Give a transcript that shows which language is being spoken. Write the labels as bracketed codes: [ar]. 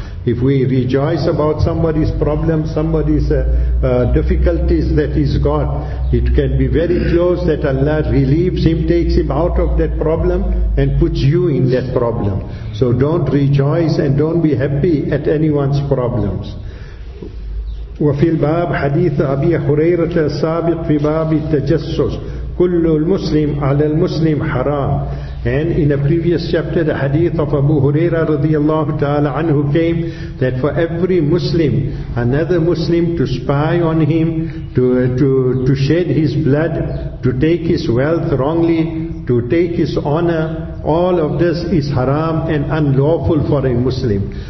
[en] If we rejoice about somebody's problem, somebody's difficulties that he's got, it can be very close that Allah relieves him, takes him out of that problem and puts you in that problem. So don't rejoice and don't be happy at anyone's problems. [ar] وفي الباب حديث أبي هريرة السابق في باب التجسس كل المسلم على المسلم حرام. [en] And in a previous chapter, the hadith of Abu Huraira radiallahu ta'ala anhu came that for every Muslim, another Muslim to spy on him, to shed his blood, to take his wealth wrongly, to take his honor, all of this is haram and unlawful for a Muslim.